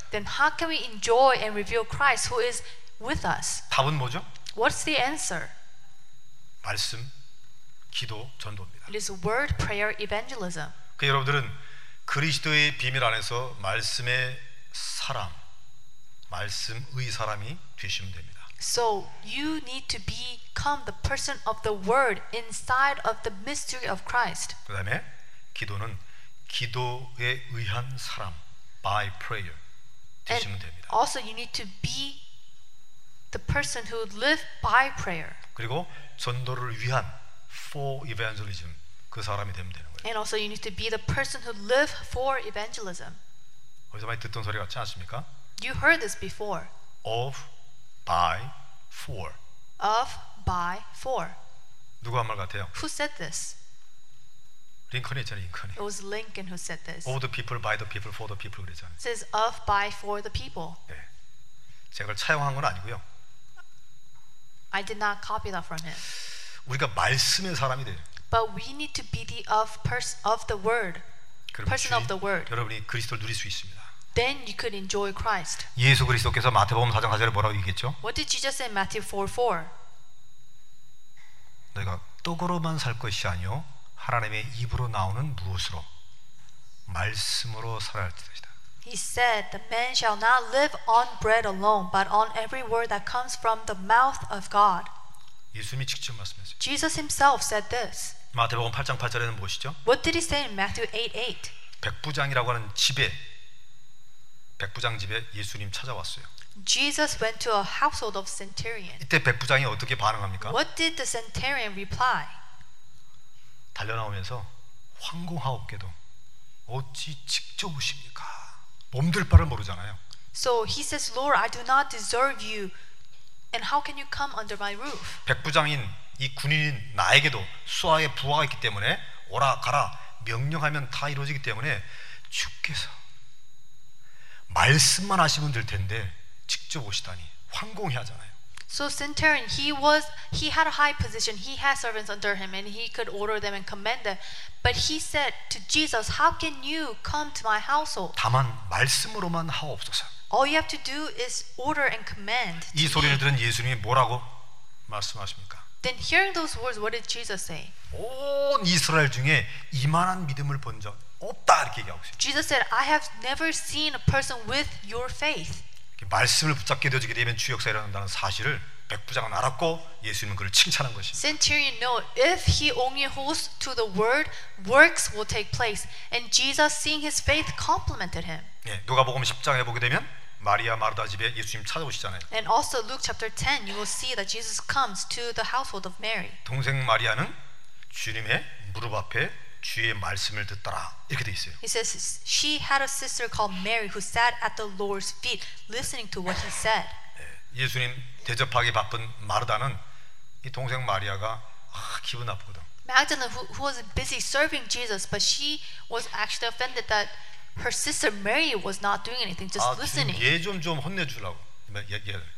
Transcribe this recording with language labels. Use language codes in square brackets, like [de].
[en] Then how can we enjoy and reveal Christ who is with us? [ko] 답은 뭐죠? [en] What's the answer? [ko] 말씀, 기도, 전도입니다. [en] It is word, prayer, evangelism. [ko] 그 여러분들은 그리스도의 비밀 안에서 말씀의 사람, 말씀의 사람이 되시면 됩니다. [en] So you need to become the person of the word inside of the mystery of Christ. [ko] 그 다음에 기도는 기도에 의한 사람, [en] by prayer, [ko] 되시면 [en] And [ko] 됩니다. [en] Also you need to be the person who live by prayer. [ko] 그리고 전도를 위한 [en] for evangelism, [ko] 그 사람이 되면 되는 거예요. [en] And also you need to be the person who live for evangelism. [ko] 어디서 많이 듣던 소리 같지 않습니까? [en] You heard this before. Of, by, for. Of, by, for. [ko] 누구 한 말 같아요? [en] Who said this? [ko] 링컨이잖아요, 링컨이. [en] It was Lincoln who said this. Of the people, by the people, for the people [ko] 그랬잖아요. [en] It says of, by, for the people. [ko] 네. 제가 그걸 차용한 건 아니고요. [en] I did not copy that from him. [ko] 우리가 말씀의 사람이 돼요. [en] But we need to be the of person of the word. Person of the word. [ko] 여러분이 그리스도를 누릴 수 있습니다. [en] Then you could enjoy Christ. [ko] 예수 그리스도께서 마태복음 4장 4절에 뭐라고 얘기했죠? [en] What did Jesus say in Matthew 4:4? [ko] 내가 떡으로만 살 것이 아니요 하나님의 입으로 나오는 무엇으로 말씀으로 살아야 할 것이다. [en] He said, "The man shall not live on bread alone, but on every word that comes from the mouth of God." [ko] 예수님이 직접 말씀했어요. [en] Jesus himself said this. [ko] 마태복음 8장 8절에는 무엇이죠? [en] What did he say in Matthew 8:8? [ko] 백부장이라고 하는 집에 백부장 집에 예수님 찾아왔어요. [en] Jesus went to a household of centurion. [ko] 이때 백부장이 어떻게 반응합니까? [en] What did the centurion reply? [ko] 달려 나오면서 황공하옵게도 어찌 직접 오십니까? 몸둘 바를 모르잖아요. [en] So he says, "Lord, I do not deserve you, and how can you come under my roof?" [ko] 백부장인 이 군인인 나에게도 수하의 부하가 있기 때문에 오라 가라 명령하면 다 이루어지기 때문에 주께서 말씀만 하시면 될 텐데 직접 오시다니 황공해 하잖아요. [en] So centurion, he had a high position. He had servants under him, and he could order them and command them. But he said to Jesus, "How can you come to my household?" [ko] 다만 말씀으로만 하옵소서. [en] All you have to do is order and command. [ko] 이 소리를 들은 예수님이 뭐라고 말씀하십니까? [en] Then hearing those words, what did Jesus say? [ko] 온 이스라엘 중에 이만한 믿음을 본 적 없다 이렇게 얘기하고 있어요. [en] Jesus said, "I have never seen a person with your faith." [ko] 말씀을 붙잡게 되어지게 되면 주 역사 일어난다는 사실을 백부장은 알았고 예수님은 그를 칭찬한 것입니다. [en] Centurion know if he only holds to the word, works will take place. And Jesus, seeing his faith, complimented him. [ko] 네, 누가복음 10장에 보게 되면 마리아 마르다 집에 예수님 찾아오시잖아요. [en] And also Luke chapter 10, you will see that Jesus comes to the household of Mary. [ko] 동생 마리아는 주님의 무릎 앞에 주의 말씀을 듣더라 이렇게 돼 있어요. [en] He says she had a sister called Mary who sat at the Lord's feet listening to what he said. [ko] 예수님 대접하기 바쁜 마르다는 이 동생 마리아가 기분 나쁘거든. [en] Magdalene who was busy serving Jesus but she was actually offended that her sister Mary was not doing anything just listening. [ko] 얘 좀 혼내주라고 얘기해.